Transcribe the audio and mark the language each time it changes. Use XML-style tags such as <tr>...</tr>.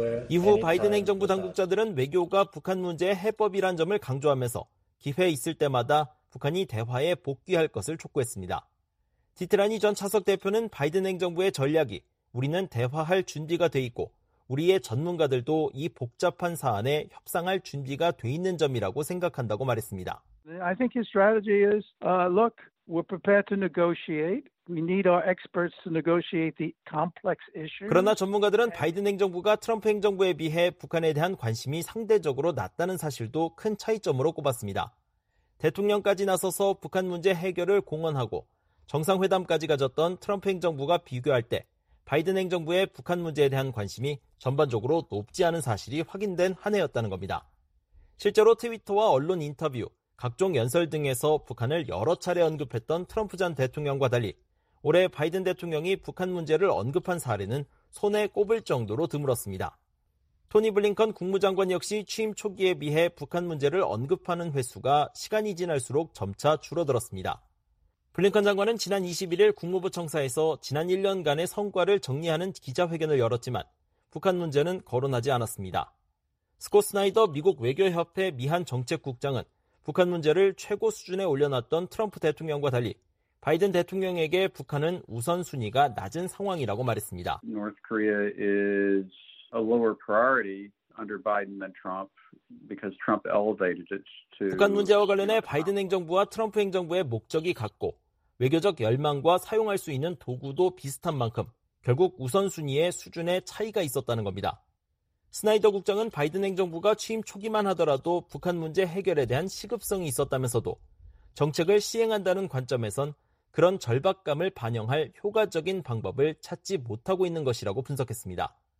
<ko>이후 바이든 행정부 당국자들은 외교가 북한 문제의 해법이란 점을 강조하면서 기회 있을 때마다 북한이 대화에 복귀할 것을 촉구했습니다. 디트라니 전 차석 대표는 바이든 행정부의 전략이 우리는 대화할 준비가 돼 있고 우리의 전문가들도 이 복잡한 사안에 협상할 준비가 돼 있는 점이라고 생각한다고 말했습니다.</ko> <en>I think his strategy is, look, we're prepared to negotiate. We need our experts to negotiate the complex issue.</en> <ko>그러나 전문가들은 바이든 행정부가 트럼프 행정부에 비해 북한에 대한 관심이 상대적으로 낮다는 사실도 큰 차이점으로 꼽았습니다. 대통령까지 나서서 북한 문제 해결을 공언하고 정상회담까지 가졌던 트럼프 행정부가 비교할 때 바이든 행정부의 북한 문제에 대한 관심이 전반적으로 높지 않은 사실이 확인된 한 해였다는 겁니다. 실제로 트위터와 언론 인터뷰, 각종 연설 등에서 북한을 여러 차례 언급했던 트럼프 전 대통령과 달리 올해 바이든 대통령이 북한 문제를 언급한 사례는 손에 꼽을 정도로 드물었습니다. 토니 블링컨 국무장관 역시 취임 초기에 비해 북한 문제를 언급하는 횟수가 시간이 지날수록 점차 줄어들었습니다. 블링컨 장관은 지난 21일 국무부 청사에서 지난 1년간의 성과를 정리하는 기자회견을 열었지만 북한 문제는 거론하지 않았습니다. 스콧 스나이더 미국 외교협회 미한정책국장은 북한 문제를 최고 수준에 올려놨던 트럼프 대통령과 달리 바이든 대통령에게 북한은 우선순위가 낮은 상황이라고 말했습니다.</ko> <en>North Korea is a lower priority under Biden than Trump because Trump elevated it to</en> <ko>북한 문제와 관련해 바이든 행정부와 트럼프 행정부의 목적이 같고 외교적 열망과 사용할 수 있는 도구도 비슷한 만큼 결국 우선순위의 수준에 차이가 있었다는 겁니다. 스나이더 국장은 바이든 행정부가 취임 초기만 하더라도 북한 문제 해결에 대한 시급성이 있었다면서도 정책을 시행한다는 관점에선 그런 절박감을 반영할 효과적인 방법을 찾지 못하고 있는 것이라고 분석했습니다.</ko>